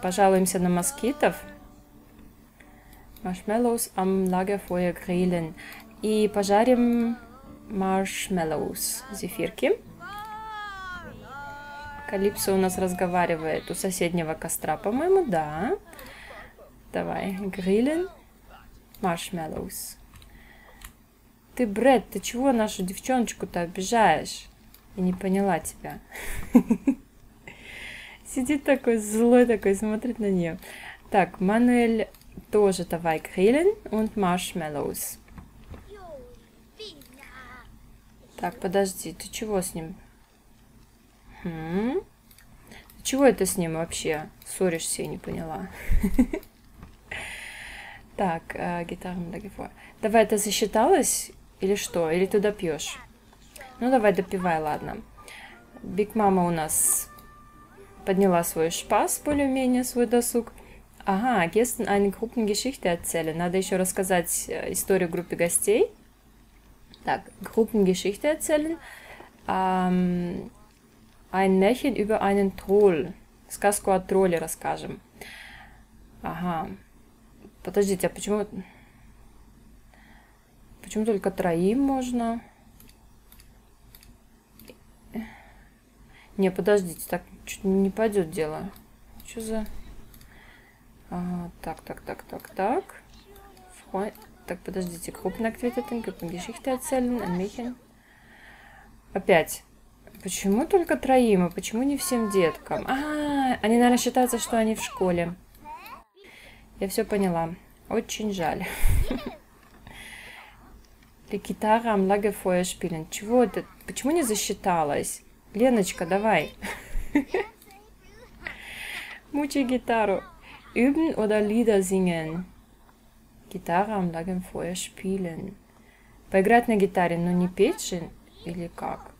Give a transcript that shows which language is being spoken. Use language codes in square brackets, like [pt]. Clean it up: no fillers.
[ru] Пожалуемся на москитов. [de] Marshmallows am Lagerfeuer grillen. [ru] И пожарим marshmallows. Зефирки. Калипсо у нас разговаривает у соседнего костра, по-моему, да. Давай, [de] grillen marshmallows. [ru] Ты, Брэд, ты чего нашу девчоночку-то обижаешь? Я не поняла тебя. Сидит такой злой, такой смотрит на нее. Так, Мануэль тоже давай [de] grillen und marshmallows. [ru] Так, подожди, ты чего с ним? Ты чего это с ним вообще? Ссоришься, я не поняла. Так, гитара на гифо. Давай, это засчиталось или что? Или ты допьешь? Ну, давай допивай, ладно. Биг мама у нас... Подняла свой шпас, более-менее свой досуг. [de] Ага, gestern eine Gruppengeschichte erzählen. [ru] Надо еще рассказать историю группе гостей. Так, [de] Gruppengeschichte erzählen. Ein Märchen über einen Troll. [ru] Сказку о тролле расскажем. Ага. Подождите, а почему... Почему только троим можно... Не, подождите, так чуть не пойдет дело. Что за... Так. Так, подождите, [de] Gruppenaktivitäten, Gruppengeschichte erzählen, ein Märchen. [ru] Опять. Почему только троим, а почему не всем деткам? Они, наверное, считаются, что они в школе. Я все поняла. Очень жаль. [de] Gitarre am Lagerfeuer spielen. [ru] Чего это? Почему не засчиталось? Леночка, давай. Мучай гитару. [de] Üben oder Lieder singen. Gitarre am Lagerfeuer spielen. [ru] Поиграть на гитаре, но не петь же, или как?